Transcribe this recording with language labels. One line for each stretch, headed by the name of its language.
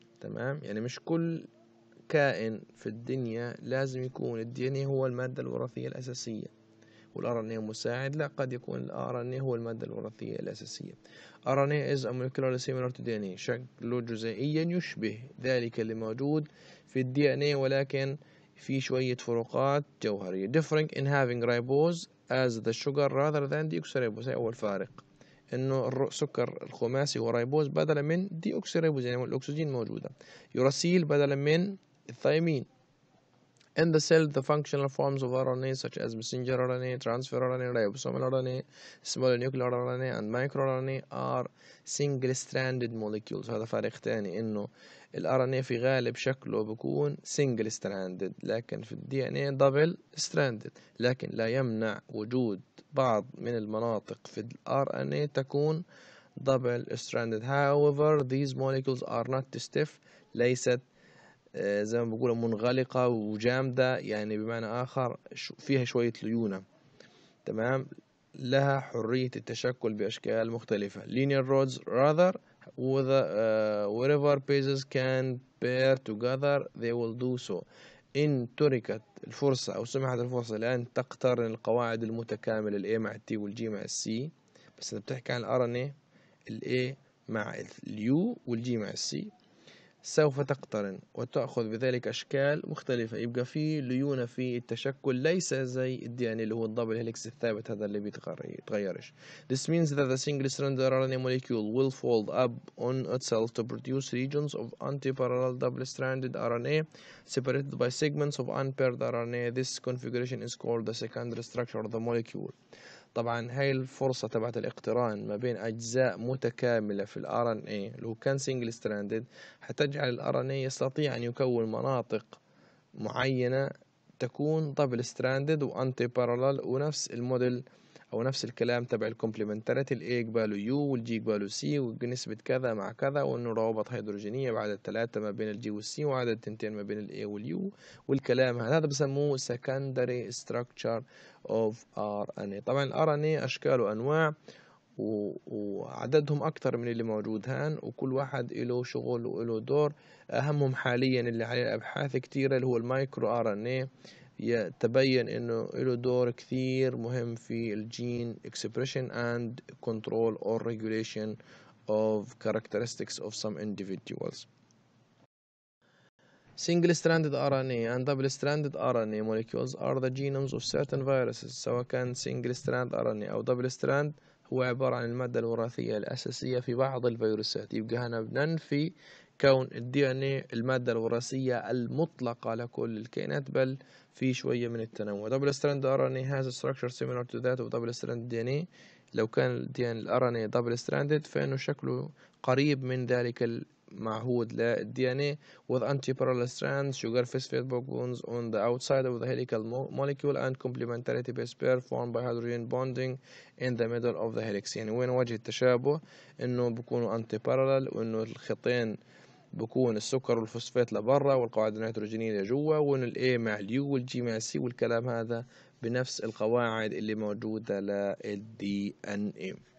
Arabic: تمام, يعني مش كل كائن في الدنيا لازم يكون الدي ان اي هو المادة الوراثية الأساسية والار ان اي مساعد. لا, قد يكون الار ان اي هو المادة الوراثية الأساسية.
English: RNA is a molecular similar to DNA,
Arabic: شكله جزيئيا يشبه ذلك اللي موجود في الدي ان اي, ولكن في شوية فروقات جوهرية.
English: Differing in having ribose as the sugar rather than deoxyribose.
Arabic: أول فارق انه السكر الخماسي هو ريبوز بدلا من deoxyribose, يعني الأكسجين موجودة. Uracil بدلا من الثيمين.
English: In the cell, the functional forms of RNA such as messenger RNA, transfer RNA, ribosomal RNA, small nuclear RNA, and micro RNA are single-stranded molecules.
Arabic: هذا فارق تاني, إنه ال RNA في غالب شكله بكون single stranded، لكن في ال DNA double stranded، لكن لا يمنع وجود بعض من المناطق في ال RNA تكون double stranded.
English: However these molecules are not stiff،
Arabic: ليست زي ما بقول منغلقة وجامدة، يعني بمعنى آخر فيها شوية ليونة، تمام، لها حرية التشكل بأشكال مختلفة.
English: linear rods rather with wherever bases can pair together they will do so.
Arabic: إن تركت الفرصة أو سمحت الفرصة لأن تقترن القواعد المتكاملة الـ A مع الـ T والـ G مع الـ C، بس إذا بتحكي عن الـ RNA الـ A مع الـ U والـ G مع الـ C سوف تقترن وتأخذ بذلك أشكال مختلفة، يبقى في ليونة في التشكل، ليس زي الـ DNA اللي هو الدبل هيليكس الثابت هذا اللي بيتغيرش.
English: This means that the single stranded RNA molecule will fold up on itself to produce regions of anti-parallel double stranded RNA separated by segments of unpaired RNA. This configuration is called the secondary structure of the molecule.
Arabic: طبعا هاي الفرصة تبعت الاقتران ما بين أجزاء متكاملة في الـ RNA لو كان single stranded حتجعل الـ RNA يستطيع أن يكون مناطق معينة تكون double stranded و anti parallel، ونفس الموديل أو نفس الكلام تبع الكومبلمنتاريتي، الـ A يقبله U والـ G يقبله C ونسبة كذا مع كذا، وإنه روابط هيدروجينية بعدد ثلاثة ما بين الـ G والـ C وعدد تنتين ما بين الـ A والـ U والكلام هذا بسموه secondary structure of RNA. طبعا الـ RNA أشكال وأنواع وعددهم أكثر من اللي موجود هان، وكل واحد له شغل وله دور، أهمهم حاليا اللي عليه أبحاث كتيرة اللي هو المايكرو RNA، يتبين انه له دور كثير مهم في
English: الجين expression and control or regulation of characteristics of some individuals. single stranded RNA and double stranded RNA molecules are the genomes of certain viruses.
Arabic: سواء كان single strand RNA او double strand هو عبارة عن المادة الوراثية الاساسية في بعض الفيروسات. يبقى هنا ننفي كون الـ DNA المادة الوراثية المطلقة لكل الكائنات، بل في شوية من التنوع.
English: double strand RNA has a structure similar to that of double strand DNA.
Arabic: لو كان الـ DNA الـ RNA double stranded فإنه شكله قريب من ذلك المعهود للـ DNA.
English: with anti-parallel strands, sugar phosphate backbones on the outside of the helical molecule and complementarity base pair formed by hydrogen bonding in the middle of the helix.
Arabic: يعني وين وجه التشابه؟ إنه بكونوا anti-parallel، وإنه الخطين بكون السكر والفوسفات لبرا والقواعد النيتروجينية لجوا، وان الـ A مع الـ U والـ G مع الـ C والكلام هذا بنفس القواعد اللي موجودة للـ DNA.